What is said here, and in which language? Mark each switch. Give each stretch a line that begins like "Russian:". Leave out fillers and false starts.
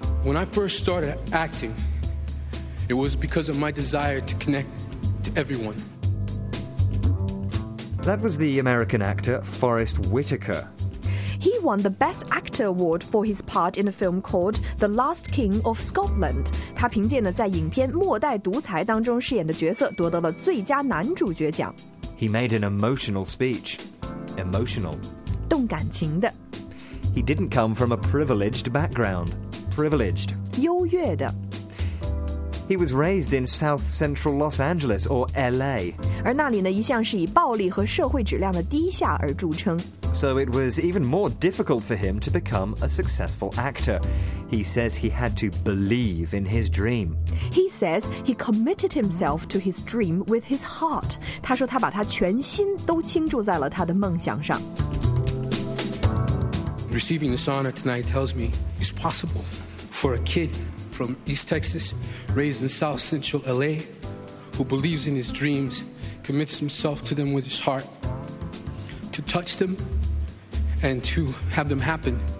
English: When I first started acting, it was because of my desire to connect to everyone. That was the American actor Forrest Whitaker. He won the Best Actor Award for his part in a film called The Last King of Scotland.
Chinese: 他凭借呢在影片《末代独裁》当中饰演的角色夺得了最佳男主角奖。
English: He made an emotional speech. Emotional.
Chinese: 动感情的。
English: He didn't come from a privileged background. Privileged.
Chinese: 优越的。
English: He was raised in South Central Los Angeles, or LA.
Chinese: 而那里呢，一向是以暴力和社会质量的低下而著称。
English: So it was even more difficult for him to become a successful actor. He says he had to believe in his dream. He says he committed himself to his dream with his heart.
Chinese: 他说他把他全心都倾注在了他的梦想上。
English: Receiving this honor tonight tells me it's possible for a kid from East Texas, raised in South Central LA, who believes in his dreams, commits himself to them with his heart, to touch them and to have them happen.